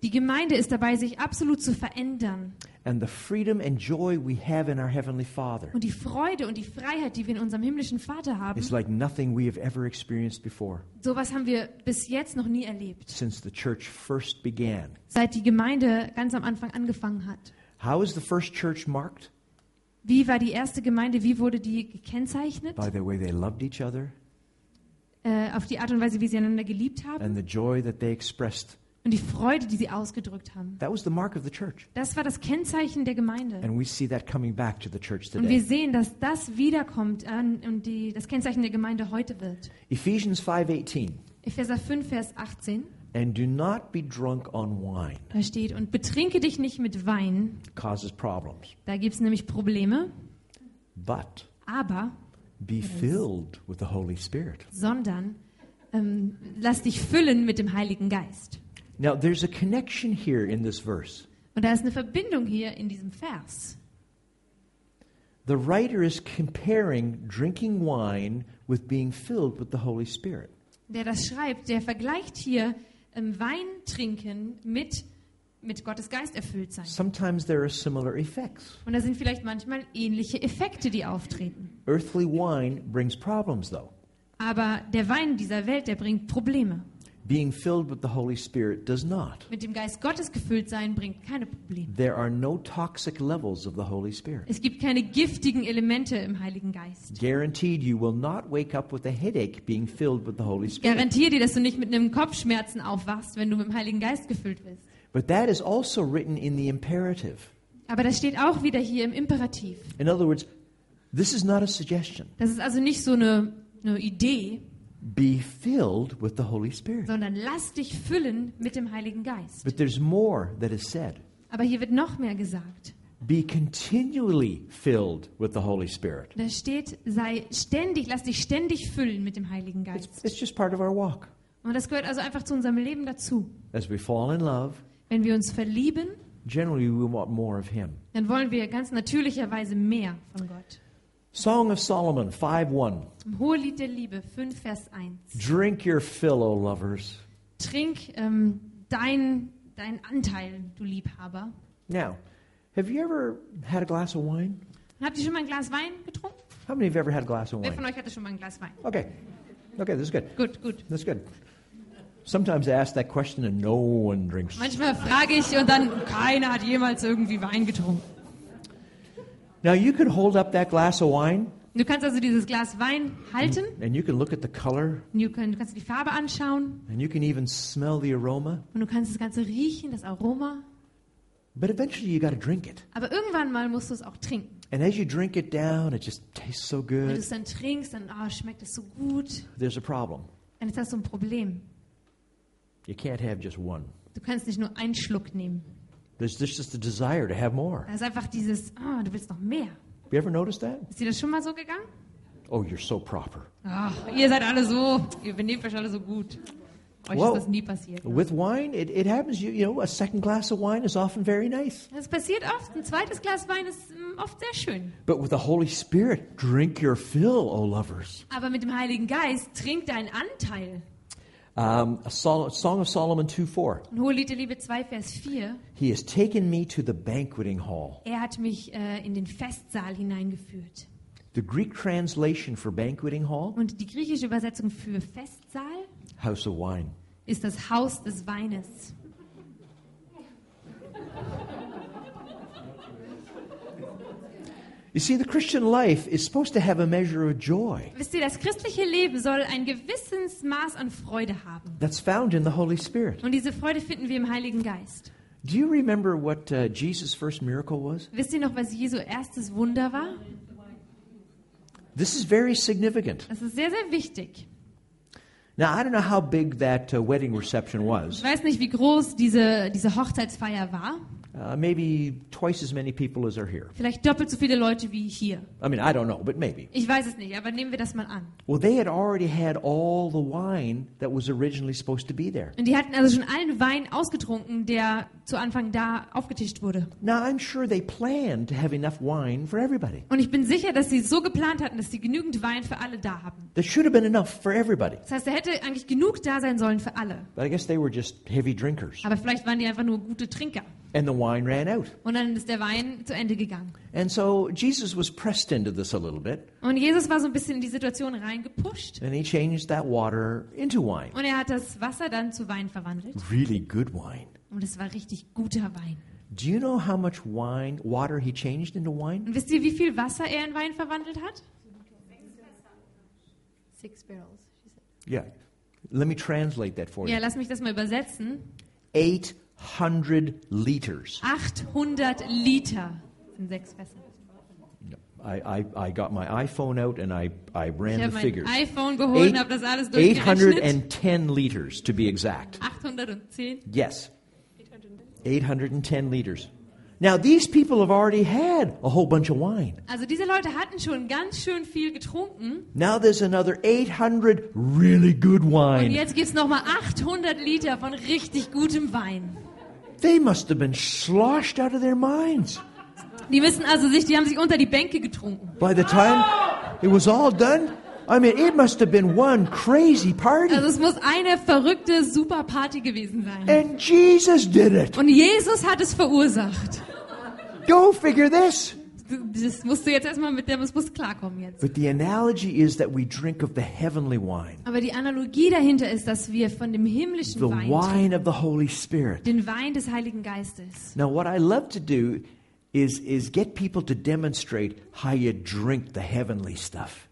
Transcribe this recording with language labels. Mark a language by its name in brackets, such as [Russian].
[German] Die Gemeinde ist dabei, sich absolut zu verändern. [English] And the freedom and joy we have in our heavenly Father. [German] Und die Freude und die Freiheit, die wir in unserem himmlischen Vater haben. [English] Is like nothing we have ever experienced before. [German] Sowas haben wir bis jetzt noch nie erlebt. [English] Since the church first began. [German] Seit die Gemeinde ganz am Anfang angefangen hat. [English] How is the first church marked? [German] Wie war die erste Gemeinde? Wie wurde die gekennzeichnet? [English] By the way they loved each other. [German] Auf die Art und Weise, wie sie einander geliebt haben. [English] And the joy that they expressed. [German] Und die Freude, die sie ausgedrückt haben. [English] That was the mark of the church. [German] Das war das Kennzeichen der Gemeinde. [English] And we see that coming back to the church today. [German] Und wir sehen, dass das wiederkommt und das Kennzeichen der Gemeinde heute wird. [English] Ephesians 5:18. [German] Epheser 5, Vers 18. [English] And do not be drunk on wine. [German] Da steht, und betrinke dich nicht mit Wein. [English] Causes problems. [German] Da gibt es nämlich Probleme. [English] But. [German] Aber. [English] Be filled with the Holy Spirit. [German] Sondern, lass dich füllen mit dem Heiligen Geist. [English] Now there's a connection here in this verse. [German] Und da ist eine Verbindung hier in diesem Vers. [English] The writer is comparing drinking wine with being filled with the Holy Spirit. [German] Der das schreibt, der vergleicht hier Wein trinken mit Gottes Geist erfüllt sein. [English] Sometimes there are similar effects. [German] Und da sind vielleicht manchmal ähnliche Effekte, die auftreten. [English] Earthly wine brings problems though. [German] Aber der Wein dieser Welt, der bringt Probleme. [English] Being filled with the Holy Spirit does not. [German] Mit dem Geist Gottes gefüllt sein bringt keine Probleme. [English] There are no toxic levels of the Holy Spirit. [German] Es gibt keine giftigen Elemente im Heiligen Geist. [English] Guaranteed you will not wake up with a headache being filled with the Holy Spirit. [German] Garantiere dir, dass du nicht mit einem Kopfschmerzen aufwachst, wenn du mit dem Heiligen Geist gefüllt wirst. [English] But that is also written in the imperative. [German] Aber das steht auch wieder hier im Imperativ. [English] In other words, this is not a suggestion. [German] Das ist also nicht so eine Idee. [English] Be filled with the Holy Spirit. [German] Sondern lass dich füllen mit dem Heiligen Geist. [English] But there's more that is said. [German] Aber hier wird noch mehr gesagt. [English] Be continually filled with the Holy Spirit. [German] Da steht, sei ständig, lass dich ständig füllen mit dem Heiligen Geist. [English] It's just part of our walk. [German] Und das gehört also einfach zu unserem Leben dazu. [English] As we fall in love, [German] wenn wir uns verlieben, [English] generally we want more of him. [German] Dann wollen wir ganz natürlicherweise mehr von Gott. [English] Song of Solomon 5:1. [German] Hohe Lied der Liebe 5 Vers 1. [English] Drink your fill, O lovers. [German] Trink dein Anteil, du Liebhaber. [English] Now, have you ever had a glass of wine? [German] Habt ihr schon mal ein Glas Wein getrunken? [English] How many of you ever had a glass of wine? [German] Wer von euch hatte schon mal ein Glas Wein? [English] Okay, this is good. Good. That's good. Sometimes I ask that question and no one drinks. [German] Manchmal frage ich und dann keiner hat jemals irgendwie Wein getrunken. [English] Now you can hold up that glass of wine. [German] Du kannst also dieses Glas Wein halten. [English] And you can look at the color. [German] Du kannst die Farbe anschauen. [English] And you can even smell the aroma. [German] Und du kannst das Ganze riechen, das Aroma. [English] But eventually you got to drink it. [German] Aber irgendwann mal musst du es auch trinken. [English] And as you drink it down, it just tastes so good. [German] Wenn du es dann trinkst, dann schmeckt es so gut. [English] There's a problem. [German] Und jetzt hast du ein Problem. [English] You can't have just one. [German] Du kannst nicht nur einen Schluck nehmen. [English] There's just the desire to have more. [German] Das ist einfach dieses, du willst noch mehr. [English] You ever noticed that? [German] Ist dir das schon mal so gegangen? [English] Oh, you're so proper. [German] Ach, ihr seid alle so, ihr benehmt euch alle so gut. Euch ist das nie passiert. [English] With wine, it happens, you know, a second glass of wine is often very nice. [German] Das passiert oft, ein zweites Glas Wein ist oft sehr schön. [English] But with the Holy Spirit, drink your fill, O lovers. [German] Aber mit dem Heiligen Geist, trink deinen Anteil. [English] Song of Solomon 2:4. [German] Ein Hohe Lied der Liebe 2, Vers 4. [English] He has taken me to the banqueting hall. [German] Er hat mich in den Festsaal hineingeführt. [English] The Greek translation for banqueting hall. [German] Und die griechische Übersetzung für Festsaal. [English] House of wine. [German] Ist das Haus des Weines. [English] You see, the Christian life is supposed to have a measure of joy. [German] Wisst ihr, das christliche Leben soll ein gewisses Maß an Freude haben. [English] That's found in the Holy Spirit. [German] Und diese Freude finden wir im Heiligen Geist. [English] Do you remember what Jesus' first miracle was? [German] Wisst ihr noch, was Jesu erstes Wunder war? [English] This is very significant. [German] Das ist sehr, sehr wichtig. [English] Now I don't know how big that wedding reception was. [German] Ich weiß nicht, wie groß diese Hochzeitsfeier war. [English] Maybe twice as many people as are here. [German] Vielleicht doppelt so viele Leute wie hier. [English] I mean, I don't know, but maybe. [German] Ich weiß es nicht, aber nehmen wir das mal an. [English] Well, they had already had all the wine that was originally supposed to be there. [German] Und die hatten also schon allen Wein ausgetrunken, der zu Anfang da aufgetischt wurde. [English] Now I'm sure they planned to have enough wine for everybody. [German] Und ich bin sicher, dass sie so geplant hatten, dass sie genügend Wein für alle da haben. [English] There should have been enough for everybody. [German] Das heißt, da hätte eigentlich genug da sein sollen für alle. [English] But I guess they were just heavy drinkers. [German] Aber vielleicht waren die einfach nur gute Trinker. [English] And the wine ran out. [German] Und dann ist der Wein zu Ende gegangen. [English] And so Jesus was pressed into this a little bit. [German] Und Jesus war so ein bisschen in die Situation reingepusht. [English] And he changed that water into wine. [German] Und er hat das Wasser dann zu Wein verwandelt. [English] Really good wine. [German] Und es war richtig guter Wein. [English] Do you know how much wine, water he changed into wine? [German] Und wisst ihr, wie viel Wasser er in Wein verwandelt hat? [English] 6 barrels, she said. Yeah. Let me translate that for you. [German] Ja, lass mich das mal übersetzen. [English] 800 liters. [German] 800 Liter in 6 Fässern. [English] I got my iPhone out and I ran the figures. [German] Ich habe mein iPhone geholt und habe das alles durchgerechnet. [English] 810 liters to be exact. [German] 810. [English] Yes. 810 liters. Now these people have already had a whole bunch of wine. [German] Also diese Leute hatten schon ganz schön viel getrunken. [English] Now there's another 800 really good wine. [German] Und jetzt gibt's noch mal 800 Liter von richtig gutem Wein. [English] They must have been sloshed out of their minds. [German] Die müssen also sich, die haben sich unter die Bänke getrunken. [English] By the time it was all done, I mean, it must have been one crazy party. [German] Also es muss eine verrückte Superparty gewesen sein. [English] And Jesus did it. [German] Und Jesus hat es verursacht. [English] Go figure this. [German] Das musst du jetzt erstmal mit dem, das musst klarkommen jetzt. [English] But the analogy is that we drink of the heavenly wine. [German] Aber die Analogie dahinter ist, dass wir von dem himmlischen [English] the [German] Wein trinken. [English] The wine of the Holy Spirit. [German] Den Wein des Heiligen Geistes. [English] Now what I love to do is get people to demonstrate how you drink the heavenly stuff.